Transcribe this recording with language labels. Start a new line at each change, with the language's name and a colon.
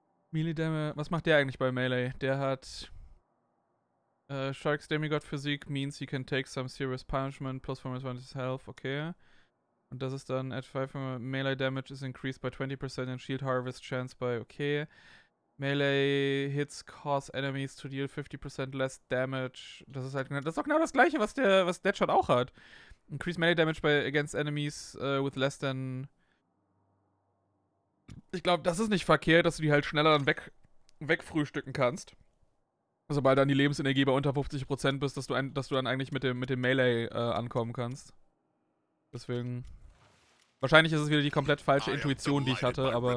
English: Melee Damage.
German: Was macht der eigentlich bei Melee? Der hat...
English: Shark's Demigod Physik means he can take some serious punishment plus 4% his health. Okay.
German: Und das ist dann
English: at 500 Melee Damage is increased by 20% and Shield Harvest Chance by, okay. Melee Hits cause enemies to deal 50% less damage.
German: Das ist halt genau, das ist auch genau das gleiche, was Deadshot auch hat.
English: Increase Melee Damage by against enemies with less than...
German: Ich glaube, das ist nicht verkehrt, dass du die halt schneller dann wegfrühstücken kannst. Sobald dann die Lebensenergie bei unter 50% bist, dass du dann eigentlich mit dem Melee ankommen kannst. Deswegen. Wahrscheinlich ist es wieder die komplett falsche Intuition, die ich hatte, aber.